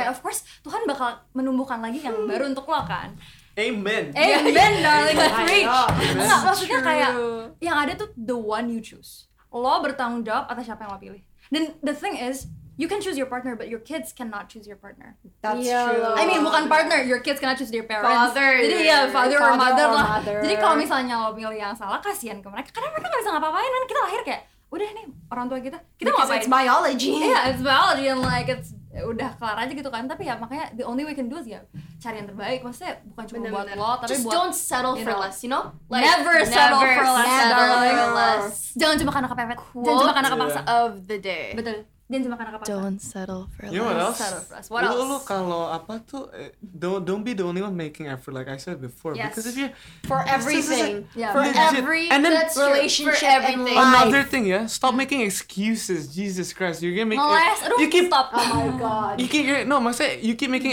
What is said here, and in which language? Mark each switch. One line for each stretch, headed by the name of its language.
Indonesian: Kayak
English: of course
Indonesian: Tuhan bakal menumbuhkan lagi yang baru untuk lo kan.
English: Amen. Amen, darling. Preach.
Indonesian: Enggak, maksudnya kayak yang ada tuh
English: the one you choose.
Indonesian: Lo bertanggung jawab atas siapa yang lo pilih.
English: Then the thing is, you can choose your partner, but your kids cannot choose your partner. That's true. I mean,
Indonesian: bukan partner.
English: Your kids cannot choose their parents. Father.
Indonesian: Jadi ya, father
English: or mother
Indonesian: lah. Jadi kalau misalnya lo pilih yang salah, kasihan ke mereka. Karena mereka nggak bisa ngapa-ngapain. Kan kita lahir kayak, udah nih orang tua kita
English: because
Indonesian: ngapain?
English: It's biology. Yeah, it's biology and like it's
Indonesian: udah kelar aja gitu kan. Tapi ya makanya
English: the only way we can do is
Indonesian: ya cari yang terbaik. Maksudnya bukan cuma bener, buat bener. Lo tapi
English: just just don't settle for less, you know? Like, never settle for less. Settle for less.
Indonesian: Jangan cuma karena kepepet. Jangan cuma karena kepaksa.
English: Of the day.
Indonesian: Betul. Dia sama anak apa?
English: Don't settle for less. You know what else? What else? Lu
Indonesian: kalau apa tuh
English: don't be the only one making effort like I said before. Yes. Because if you for everything, for every relationship, another thing, yeah. Stop making excuses, Jesus Christ. You're gonna make you keep making